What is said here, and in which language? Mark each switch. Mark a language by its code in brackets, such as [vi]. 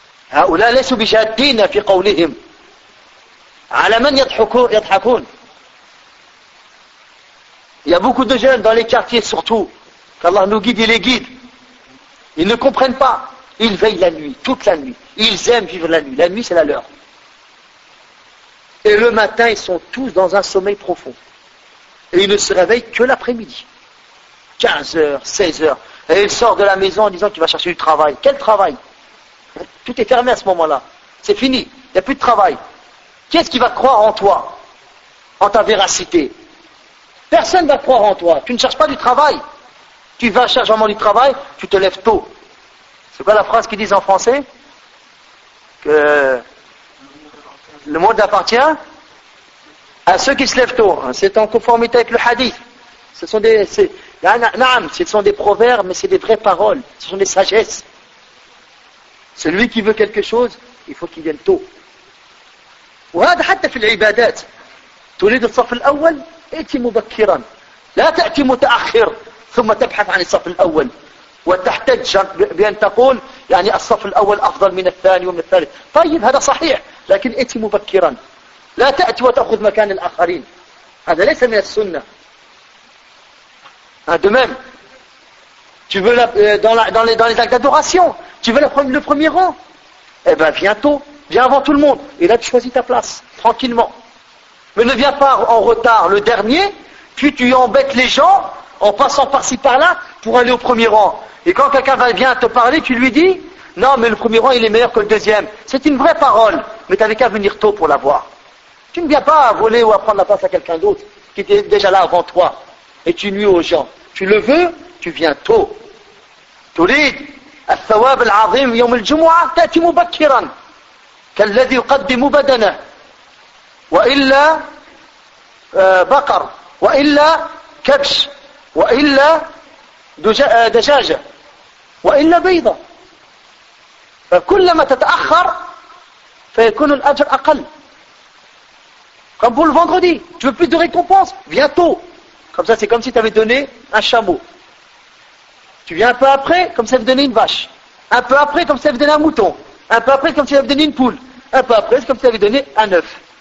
[ar] هؤلاء ليسوا بجادين في قولهم على من يضحكون [fr] il y a beaucoup de jeunes dans les quartiers surtout qu'Allah nous guide et les guide ils ne comprennent pas ils veillent la nuit toute la nuit ils aiment vivre la nuit c'est la leur et le matin ils sont tous dans un sommeil profond Et il ne se réveille que l'après-midi. 15h, 16h. Et il sort de la maison en disant qu'il va chercher du travail. Quel travail? Tout est fermé à ce moment-là. C'est fini. Il n'y a plus de travail. Qu'est-ce qui va croire en toi? En ta véracité? Personne ne va croire en toi. Tu ne cherches pas du travail. Tu vas chercher vraiment du travail, tu te lèves tôt. C'est quoi la phrase qu'ils disent en français? Que le monde appartient à ceux qui se lèvent tôt, hein, c'est en conformité avec le hadith. Ce sont des, ce sont des proverbes, mais c'est des vraies paroles. Ce sont des sagesses. Celui qui veut quelque chose, il faut qu'il vienne tôt. [ar] وهذا حتى في العبادات. تريد الصف الأول ائتي مبكرا، لا تأتي متأخر ثم تبحث عن الصف الأول وتحتج بأن تقول يعني الصف الأول أفضل من الثاني ومن الثالث. طيب هذا صحيح، لكن ائتي مبكرا، لا تأتي وتأخذ مكان الآخرين، هذا ليس من السنة. [fr] دمام tu veux la, dans, la, dans, les, dans les actes d'adoration, tu veux la, le premier rang, eh bien viens tôt, viens avant tout le monde, et là tu choisis ta place, tranquillement. Mais ne viens pas en retard le dernier, puis tu embêtes les gens en passant par-ci par-là pour aller au premier rang. Et quand quelqu'un vient te parler, tu lui dis, non mais le premier rang il est meilleur que le deuxième. C'est une vraie parole, mais tu n'avais qu'à venir tôt pour l'avoir. Tu ne viens pas à voler ou à prendre la place à quelqu'un d'autre qui était déjà là avant toi, et tu nuis aux gens. Tu le veux, tu viens tôt. [ar] تريد الثواب العظيم يوم الجمعة تأتي مبكرا كالذي يقدم بدنه وإلا بقر وإلا كبش وإلا دجاجة وإلا بيضة. فكلما تتأخر فيكون الأجر أقل. [fr] Comme pour le vendredi, tu veux plus de récompense, viens tôt. Comme ça, c'est comme si tu avais donné un chameau. Tu viens un peu après, comme ça vous donnez une vache. Un peu après, comme ça vous donnez un mouton. Un peu après, comme ça vous donnez une poule. Un peu après, c'est comme ça vous donnez un œuf.